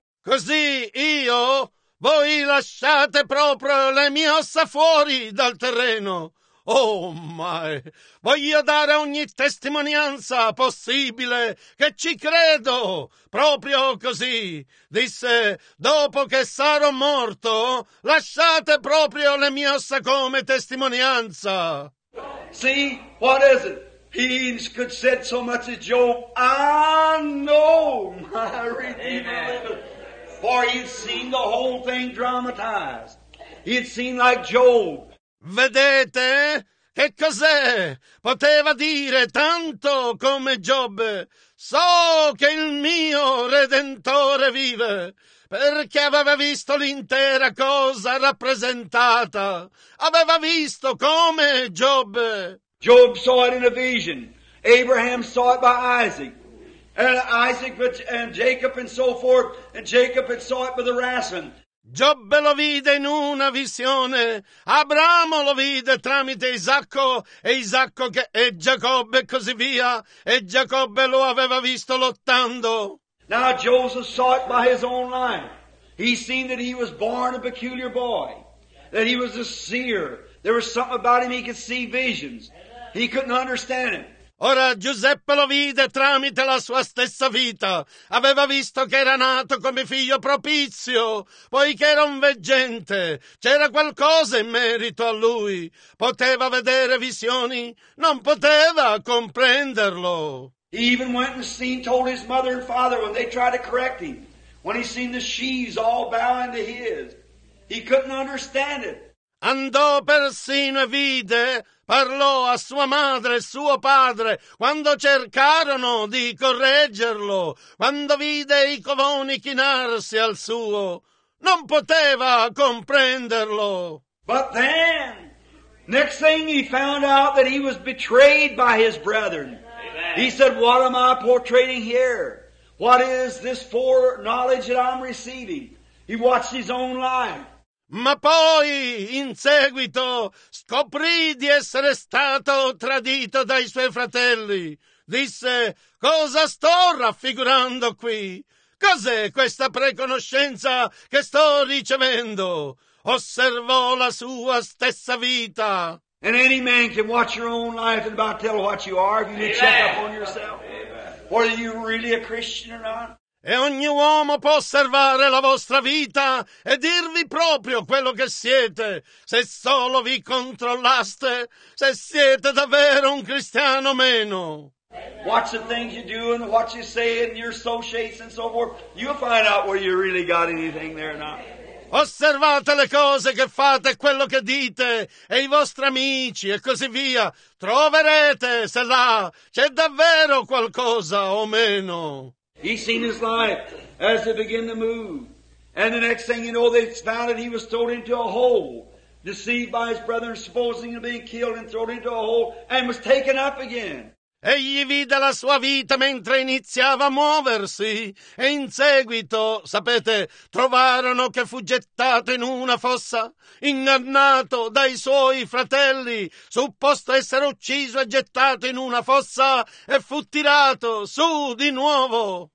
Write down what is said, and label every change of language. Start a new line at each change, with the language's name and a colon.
Italian: Così io, voi lasciate proprio le mie ossa fuori dal terreno.
English: Oh my,
Italian: voglio dare ogni testimonianza possibile che ci credo, proprio così. Disse, dopo che sarò morto, lasciate proprio le mie ossa come testimonianza.
English: See, what is it? He could say so much as Job, I know my Redeemer. For he'd seen the whole thing dramatized. He'd seen like Job.
Italian: Vedete? Che cos'è? Poteva dire tanto come Giobbe. So che il mio Redentore vive, perché aveva visto l'intera cosa rappresentata. Aveva visto come Giobbe.
English: Job saw it in a vision. Abraham saw it by Isaac. And Isaac and Jacob and so forth. And Jacob had saw it by the wrestling.
Italian: Giobbe lo vide in una visione, Abramo lo vide tramite Isacco, e Isacco che e Giacobbe così via, e Giacobbe lo aveva visto lottando.
English: Now Joseph saw it by his own life. He seen that he was born a peculiar boy, that he was a seer. There was something about him he could see visions. He couldn't understand it.
Italian: Ora Giuseppe lo vide tramite la sua stessa vita. Aveva visto che era nato come figlio propizio, poiché era un veggente. C'era qualcosa in merito a lui. Poteva vedere visioni, non poteva comprenderlo.
English: He even went and seen, told his mother and father when they tried to correct him. When he seen the sheaves all bowing to his. He couldn't understand it.
Italian: Andò persino e vide, parlò a sua madre e suo padre quando cercarono di correggerlo, quando vide i covoni chinarsi al suo. Non poteva comprenderlo.
English: But then, next thing he found out that he was betrayed by his brethren. Amen. He said, what am I portraying here? What is this foreknowledge that I'm receiving? He watched his own life.
Italian: Ma poi, in seguito, scoprì di essere stato tradito dai suoi fratelli. Disse: «Cosa sto raffigurando qui? Cos'è questa preconoscenza che sto ricevendo?» Osservò la sua stessa vita.
English: And any man can watch your own life and about tell what you are if you check up on yourself. Whether you really a Christian or not.
Italian: E ogni uomo può osservare la vostra vita e dirvi proprio quello che siete, se solo vi controllaste, se siete davvero un cristiano o meno.
English: Watch the things you do and what you say and your associates and so forth. You'll find out whether you really got anything there or not.
Italian: Osservate le cose che fate, quello che dite, e i vostri amici e così via. Troverete se là c'è davvero qualcosa o meno.
English: He seen his life as it began to move. And the next thing you know, they found that he was thrown into a hole, deceived by his brethren, supposing to be killed and thrown into a hole, and was taken up again.
Italian: Egli vide la sua vita mentre iniziava a muoversi e in seguito, sapete, trovarono che fu gettato in una fossa, ingannato dai suoi fratelli, supposto essere ucciso e gettato in una fossa e fu tirato su di nuovo.